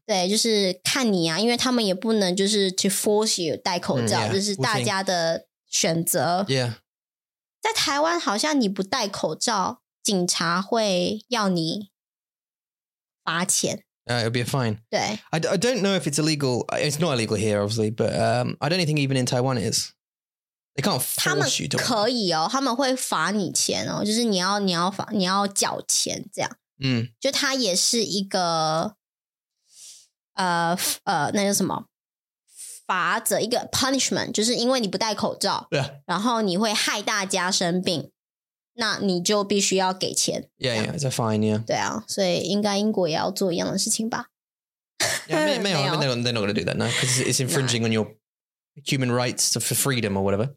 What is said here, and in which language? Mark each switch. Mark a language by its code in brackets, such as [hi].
[zh] 对就是看你啊因为他们也不能就是 [en] to force you [zh] 戴口罩、 [en] yeah. [zh] 就是大家的选择 [en] yeah [zh] 在台湾好像你不戴口罩警察会要你罚钱。 [en] It'll be a fine. [zh] 对。 [en] I don't know if it's illegal. It's not illegal here, obviously, but I don't think even in Taiwan it is. They can't force you to. [zh] 可以哦他们会罚你钱哦就是你要缴钱这样。就它也是一个那叫什么罚则一个 punishment 就是因为你不戴口罩、 [en] yeah. [zh] 然后你会害大家生病那你就必须要给钱 [en] yeah yeah it's a fine yeah [zh] 对啊所以应该英国也要做一样的事情吧 [en] yeah, [zh] 没有, 没有 [en] they're not gonna do that no because it's infringing on your human rights for freedom or whatever